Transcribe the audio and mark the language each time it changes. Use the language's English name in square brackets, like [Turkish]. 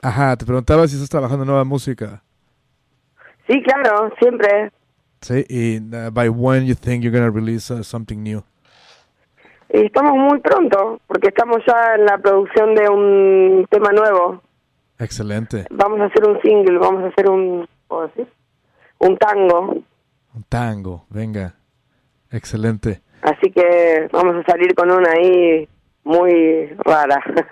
[Spanish] Ajá, te preguntaba si estás trabajando nueva música. Sí, claro, siempre. Sí, y [English] by when you think you're going to release something new? [Spanish] Y estamos muy pronto, porque estamos ya en la producción de un tema nuevo. Excelente. Vamos a hacer un single, vamos a hacer un, ¿cómo decir? Un tango. Un tango, venga. Excelente. Así que vamos a salir con una ahí muy rara.